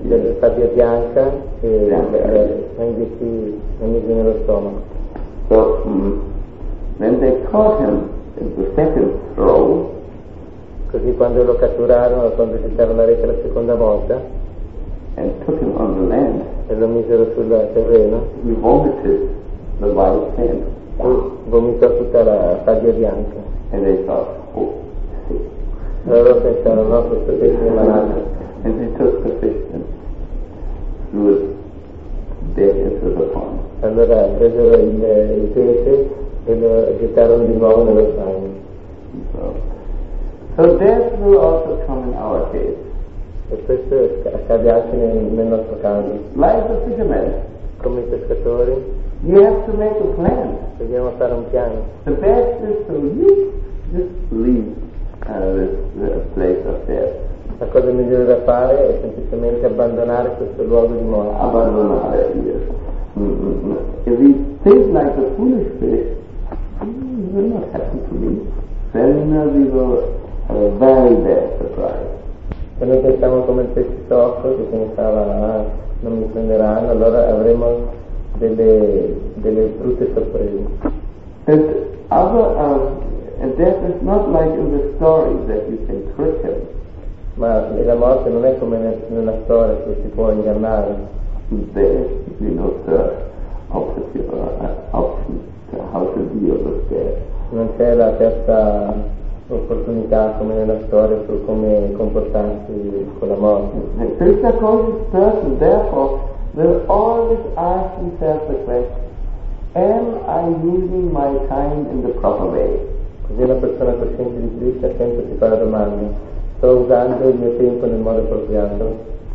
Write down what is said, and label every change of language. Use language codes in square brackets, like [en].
[it] Della sabbia bianca e la inghiottì nello stomaco. [en] So then they caught him in the second throw. [it] Così quando lo catturarono, quando gettarono la rete la seconda volta, [en] and took him on the land, [it] e lo misero sul terreno, [en] he vomited the white sand. [it] Vomitò tutta la sabbia bianca. [en] And they thought, oh, [it] allora pensarono, questo pesce è malato. [en] And they took the fish and threw it dead into the pond. [it] Allora presero il pesce e lo gettarono di nuovo nello stagno. [en] So death will also come in our case. [it] E questo accade anche nel nostro caso. [en] Like the fishermen. [it] Come i pescatori. [en] You have to make a plan. [it] Dobbiamo fare un piano. [en] The best is to leave this place of death. [it] La cosa migliore da fare è semplicemente abbandonare questo luogo di morte. Abbandonare, [en] yes. [it] Mm-hmm. [en] If we think like the foolish fish, it will not happen to me. Then we will have a very bad surprise. [it] Se noi pensiamo come il pesce sciocco che pensava non mi prenderanno, allora avremo delle brutte sorprese. [en] And death is not like in the story that you can trick him. [it] Ma la morte non è come nella storia che si può ingannare. [en] There is, you know, the opposite option, how to deal with death. [it] Non c'è la terza opportunità come nella storia su come comportarsi con la morte. [en] Krishna conscious person therefore will always ask himself the question, am I using my time in the proper way? [it] Così una persona cosciente di Krishna sempre si fa la domanda, sto usando il mio tempo nel modo appropriato?